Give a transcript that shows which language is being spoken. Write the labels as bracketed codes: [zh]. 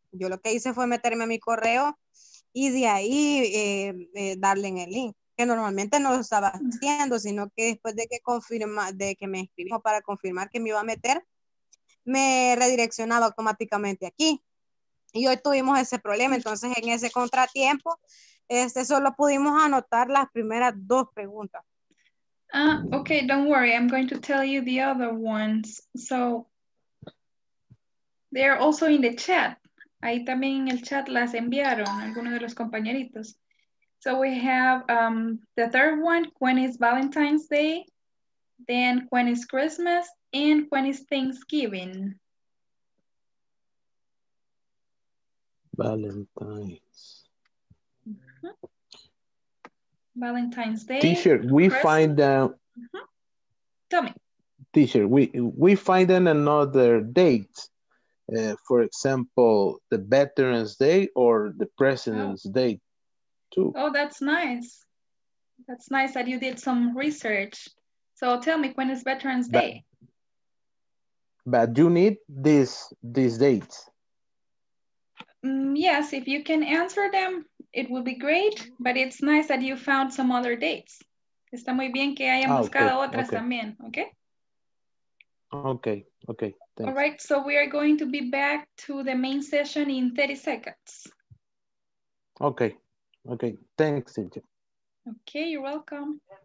[es] Yo lo que hice fue meterme a mi correo y de ahí darle en el link, que normalmente no lo estaba haciendo, sino que después de que me escribió para confirmar que me iba a meter, me redireccionaba automáticamente aquí. Y hoy tuvimos ese problema, entonces en ese contratiempo solo pudimos anotar las primeras dos preguntas. [en] Okay, don't worry, I'm going to tell you the other ones. So, they're also in the chat. [es] Ahí también en el chat las enviaron algunos de los compañeritos. [en] So we have the third one, when is Valentine's Day? Then when is Christmas? And when is Thanksgiving? Valentine's. Mm-hmm. Valentine's Day. Teacher, we find Tell me. Teacher, we find another date. For example, the Veterans Day or the President's Day too. Oh, that's nice. That's nice that you did some research. So tell me, when is Veterans Day? But you need these dates. Yes, if you can answer them, it would be great. But it's nice that you found some other dates. [es] Está muy bien que hayan buscado otras también, okay? [en] Okay. Thanks. All right, so we are going to be back to the main session in 30 seconds. Okay. Thanks, Cynthia. Okay, you're welcome.